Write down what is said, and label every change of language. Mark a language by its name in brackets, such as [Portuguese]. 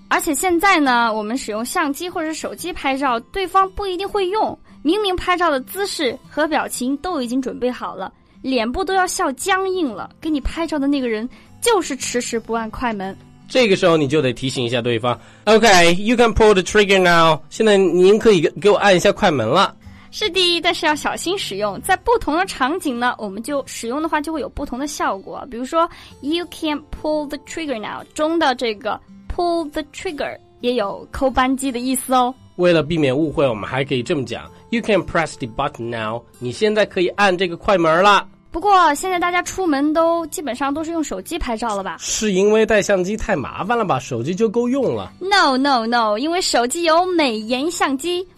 [Chinese] 而且现在呢，我们使用相机或者手机拍照，对方不一定会用，明明拍照的姿势和表情都已经准备好了，脸部都要笑僵硬了，给你拍照的那个人就是迟迟不按快门。这个时候你就得提醒一下对方 [English] OK, you can pull the trigger now, [Chinese] 现在您可以给我按一下快门了。是第一，但是要小心使用，在不同的场景呢，我们就使用的话就会有不同的效果。比如说 [English] you can pull the trigger now [Chinese] 中的这个 [English] pull the trigger [Chinese] 也有扣扳机的意思哦。为了避免误会，我们还可以这么讲 [English] you can press the button now, [Chinese] 你现在可以按这个快门了。不过现在大家出门都基本上都是用手机拍照了吧？是因为带相机太麻烦了吧？手机就够用了。 [English] No no no, [Chinese] 因为手机有美颜相机。